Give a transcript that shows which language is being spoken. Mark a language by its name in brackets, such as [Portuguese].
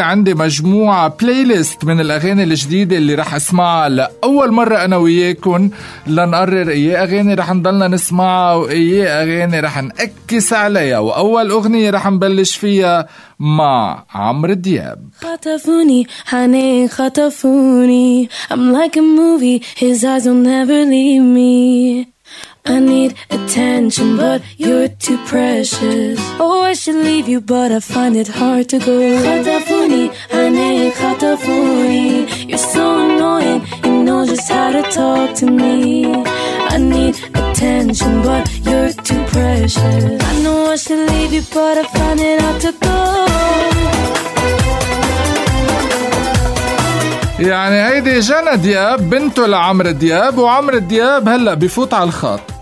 [Arabic] عندي مجموعة بلاي ليست من الأغاني الجديدة اللي رح أسمعها لأول مرة أنا وياكم، لنقرر إيه أغاني رح نضلنا نسمعها وإيه أغاني رح نأكس عليها. وأول أغنية رح نبلش فيها مع عمرو دياب. خطفوني حني خطفوني، [English] I'm like a movie his eyes will never leave me. I need attention, but you're too precious. Oh, I should leave you, but I find it hard to go. [Arabic] Khatafuni, ane khatafuni. [English] You're so annoying, you know just how to talk to me. I need attention, but you're too precious. I know I should leave you, but I find it hard to go. [Arabic] يعني هيدي جنى دياب بنته لعمرو دياب، وعمرو دياب هلا بفوت على الخط.